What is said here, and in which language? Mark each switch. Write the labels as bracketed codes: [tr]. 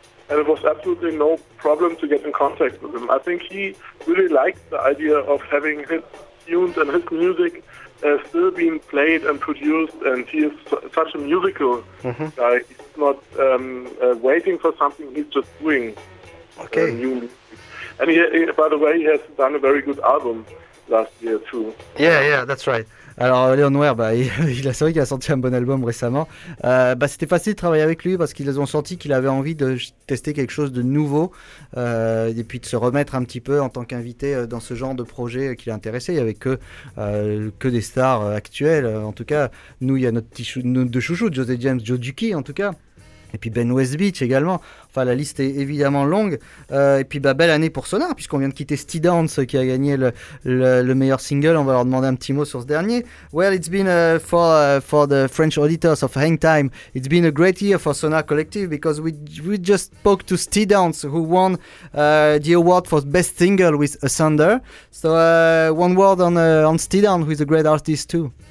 [en] And it was absolutely no problem to get in contact with him. I think he really liked the idea of having his tunes and his music still being played and produced. And he is such a musical guy. He's not waiting for something, he's just doing new music. And by the way, he has done a very good album last year too. Yeah, that's right. [fr] Alors Léon Ware, c'est vrai qu'il a sorti un bon album récemment. C'était facile de travailler avec lui parce qu'ils ont senti qu'il avait envie de tester quelque chose de nouveau et puis de se remettre un petit peu en tant qu'invité dans ce genre de projet qui l'intéressait. Il n'y avait que des stars actuelles. En tout cas, nous, il y a nos deux chouchous, José James, Joe Dukey en tout cas. Et puis Ben Westbeach également. Enfin, la liste est évidemment longue. Et puis, belle année pour Sonar, puisqu'on vient de quitter Steady Dance, qui a gagné le meilleur single. On va leur demander un petit mot sur ce dernier. [en] Well, it's been for the French auditors of Hangtime, it's been a great year for Sonar Collective, because we just spoke to Steady Dance, who won the award for best single with Asunder. So, one word on Steady Dance, who is a great artist too.